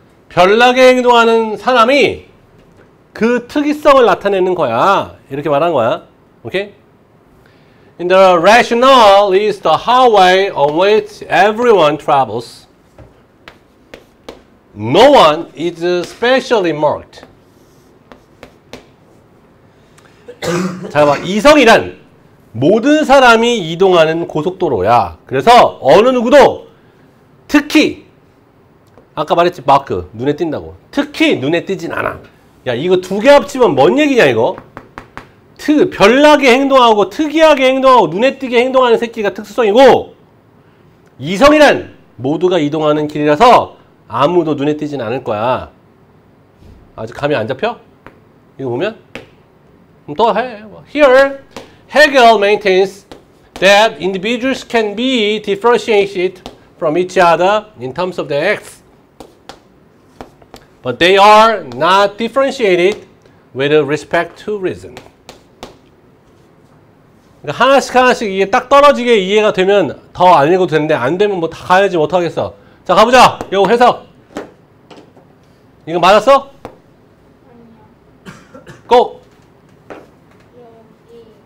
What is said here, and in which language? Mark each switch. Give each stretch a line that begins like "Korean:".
Korean: 별나게 행동하는 사람이 그 특이성을 나타내는 거야. 이렇게 말한 거야.
English: 오케이? And the rationale is the highway on which everyone travels. No one is specially marked.
Korean: 자, 봐. 이성이란 모든 사람이 이동하는 고속도로야. 그래서 어느 누구도 특히 아까 말했지 마크 눈에 띈다고. 특히 눈에 띄진 않아. 야, 이거 두 개 합치면 뭔 얘기냐 이거? 별나게 행동하고 특이하게 행동하고 눈에 띄게 행동하는 새끼가 특수성이고 이성이란 모두가 이동하는 길이라서 아무도 눈에 띄진 않을 거야. 아직 감이 안 잡혀? 이거 보면? 또 해.
English: Here, Hegel maintains that individuals can be differentiated from each other in terms of their acts. But they are not differentiated with respect to reason.
Korean: 하나씩 하나씩 이게 딱 떨어지게 이해가 되면 더 안 읽어도 되는데 안 되면 뭐 다 가야지 못하겠어. 자, 가보자. 요 해석. 이거 맞았어? 아니요. 고! 여기.